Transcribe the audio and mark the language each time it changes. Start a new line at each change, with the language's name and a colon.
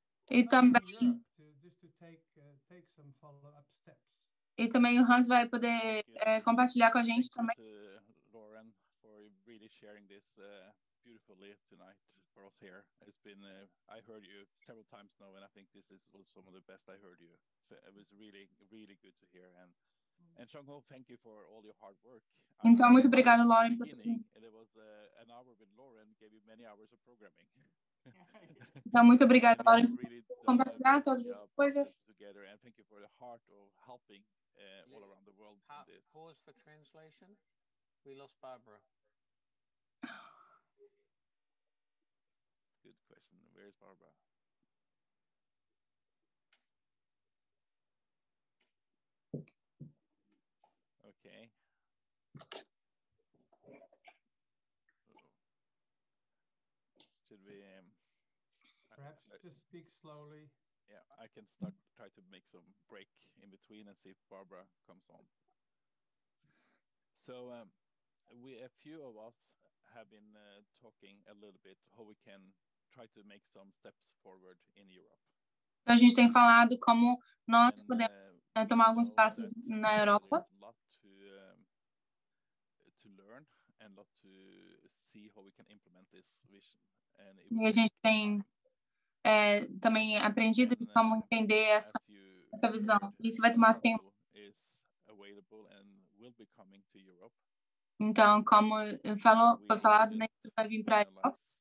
Portuguese: E também o Hans vai poder compartilhar com a gente também.
English: Lauren, for really sharing this beautifully tonight for us here. It's been, I heard you several times now, and I think this is some of the best I heard you. So it was really, really good to hear. And Xiong-ho, thank you for all your hard work.
Portuguese: Então, muito obrigado, Lauren.
English: And it was an hour with Lauren, gave you many hours of programming.
Portuguese: Então, muito obrigado, Lauren, por compartilhar todas as coisas.
English: Together, and thank you for the heart of helping all around the world. Pause for translation. We lost Barbara. Good question. Where is Barbara? Okay. Should we? Perhaps just speak slowly. Yeah, I can start. Try to make some break in between and see if Barbara comes on. So, a few of us have been talking a little bit how we can try to make some steps forward in Europe.
Portuguese: Então a gente tem falado como nós podemos tomar alguns passos na Europa.
English: To learn and lot to see how we can implement this vision. And
Portuguese: a gente tem também aprendido de como entender essa visão. Isso vai tomar tempo.
English: Is available and will be coming to Europe.
Portuguese: Então, como foi falado, né, vai vir para a Europa.